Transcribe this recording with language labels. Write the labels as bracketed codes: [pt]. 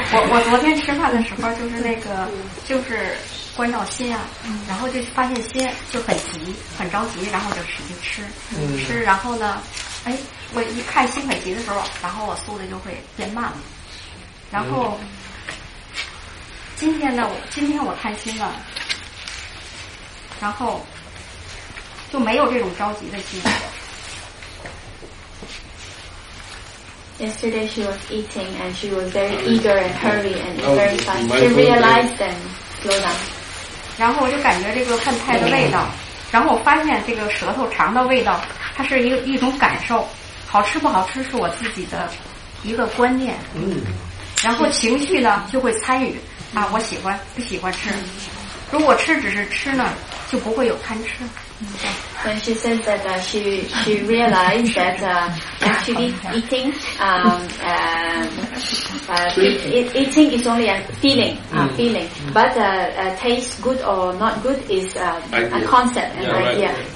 [zh] 我昨天吃饭的时候就是那个就是关照心啊，然后就发现心就很急很着急，然后就使劲吃吃，然后呢，哎，我一看心很急的时候，然后我速度就会变慢了，然后。今天我看心了，然后就没有这种着急的心。 [en] Yesterday she was eating and she was very eager and hurry and very fast. She realized and slow down. [zh] 然后我就感觉这个饭菜的味道，然后我发现这个舌头尝的味道，它是一种感受，好吃不好吃是我自己的一个观念。嗯。然后情绪呢就会参与啊，我喜欢不喜欢吃，如果吃只是吃呢就不会有贪吃。 [en] When she says that she realized that actually eating eating is only a feeling, feeling. But taste good or not good is a concept, an idea. Right.